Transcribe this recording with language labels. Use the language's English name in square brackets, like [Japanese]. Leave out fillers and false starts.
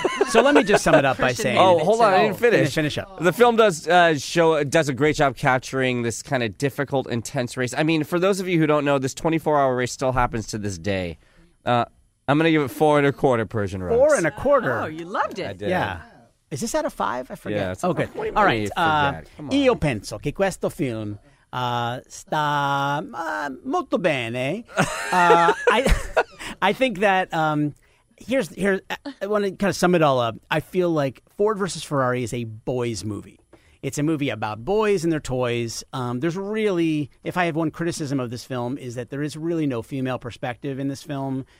[English] So let me just sum it up by saying... Oh, hold on. I didn't finish. Finish up. The film does a great job capturing this kind of difficult, intense race. I mean, for those of you who don't know, this 24-hour race still happens to this day. I'm going to give it 4.25 Persian Rugs. 4.25. Oh, you loved it. I did. Yeah. Is this out of 5? I forget. Yeah, it's good. All right. [Italian] Io penso che questo film sta molto bene. [English] I think that... I want to kind of sum it all up. I feel like Ford versus Ferrari is a boys' movie. It's a movie about boys and their toys. There's really, if I have one criticism of this film, is that there is really no female perspective in this film.